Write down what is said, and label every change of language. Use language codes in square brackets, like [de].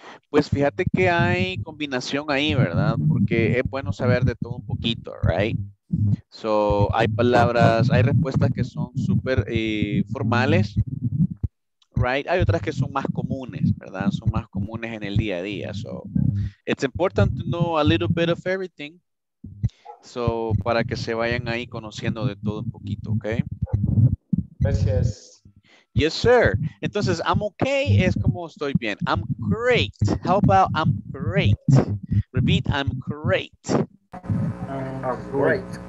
[es] Pues fíjate que hay combinación ahí, ¿verdad? Porque es bueno saber de todo un poquito, right? So, hay palabras, hay respuestas que son súper formales. Right, hay otras que son más comunes, ¿verdad? Son más comunes en el día a día. [en] So, it's important to know a little bit of everything. [es] So, para que se vayan ahí conociendo de todo un poquito, ¿ok? Gracias. [en] Yes, sir. Entonces, I'm okay [es] es como estoy bien. [en] I'm great. How about I'm great? Repeat, I'm great. I'm great.